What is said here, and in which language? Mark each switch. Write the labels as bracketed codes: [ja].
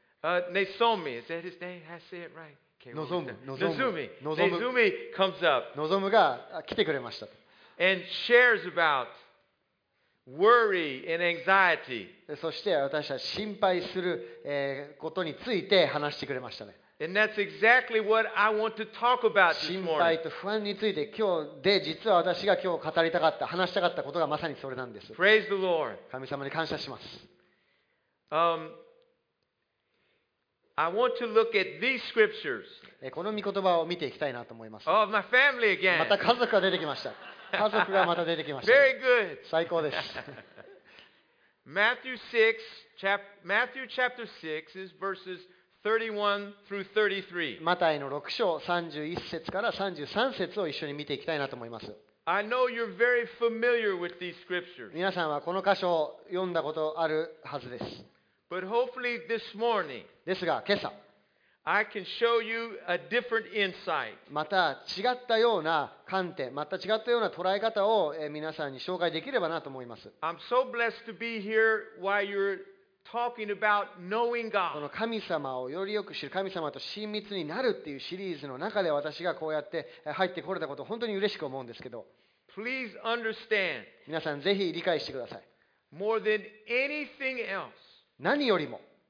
[en] Naomi, is that his name? I say it right. Naomi comes up. [ja] Naomi が来てくれました。 [en] And shares about worry and anxiety. [ja] そして私は心配することについて話してくれましたね。 [en] And that's exactly what I want to talk about this morning. [ja] 心配と不安について今日で実は私が今日語りたかった話したかったことがまさにそれなんです。 [en] Praise the Lord. [ja] 神様に感謝します。 [en] I want to look at these scriptures. [ja] この御言葉を見ていきたいなと思います。 [en] Oh, my family again. [ja] また家族が出てきました。家族がまた出てきました。 [en] Very good. [ja] 最高です。 [en] Matthew chapter 6 is verses 31 through 33. [ja] マタイの6章31節から33節を一緒に見ていきたいなと思います。 [en] I know you're very familiar with these scriptures. [ja] 皆さんはこの箇所を読んだことあるはずです。 [en] But hopefully this morning, [ja] ですが今朝、 [en] I can show you a different insight. [ja] また違ったような観点、また違ったような捉え方を皆さんに紹介できればなと思います。 [en] I'm so blessed to be here while you're. Talking about knowing God. [ja] この神様をよりよく知る、神様と親密になるっていうシリーズの中で私がこうやって入ってこれたことを本当に嬉しく思うんですけど、 [en] Please understand. [ja] 皆さんぜひ理解してください。 [en] More than anything else, [ja] 何よりも、